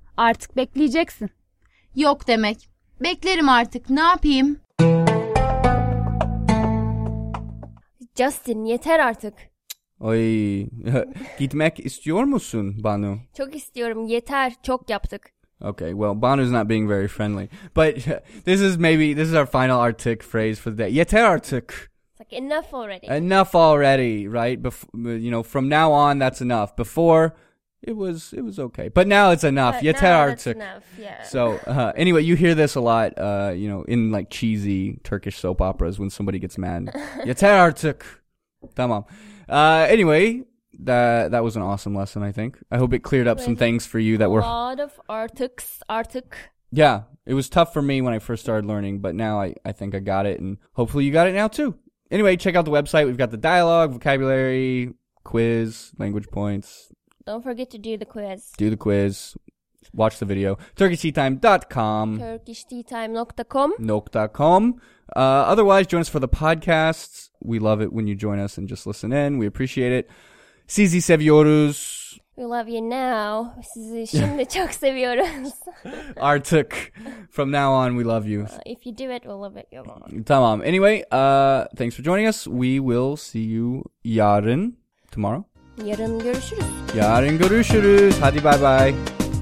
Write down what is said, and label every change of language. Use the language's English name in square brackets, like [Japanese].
[Turkish] Artık bekleyeceksin. Yok demek. Beklerim artık. Ne yapayım? Justin, yeter artık. Oy, gitmek istiyor musun, Banu? Çok istiyorum, yeter, çok yaptık. [English] Okay, well, Banu's not being very friendly. But this is our final artık phrase for the day. [Turkish] Yeter artık. [English] It's like, enough already. Enough already, right? You know, from now on, that's enough. Before, it was okay. But now it's enough. But [Turkish] yeter [English] now [Turkish] artık. [English] That's enough, yeah. So, anyway, you hear this a lot, you know, in like cheesy Turkish soap operas when somebody gets mad. [Turkish] Yeter artık. [English] Tamam. Anyway, that was an awesome lesson, I think. I hope it cleared up some things for you that were... A lot of artık. Yeah, it was tough for me when I first started learning, but now I think I got it, and hopefully you got it now too. Anyway, check out the website. We've got the dialogue, vocabulary, quiz, language points. Don't forget to do the quiz. Do the quiz. Watch the video. TurkishTeaTime.com. TurkishTeaTime.com. Otherwise, join us for the podcasts. We love it when you join us and just listen in. We appreciate it. [Turkish] Sizi seviyoruz. [English] We love you now. [Turkish] Sizi şimdi çok seviyoruz. [English] Artık. From now on, we love you. If you do it, we'll love it. [Turkish] Tamam. [English] Anyway, thanks for joining us. We will see you yarın. Tomorrow. [Turkish] Yarın görüşürüz. Yarın görüşürüz. Hadi [English] bye bye.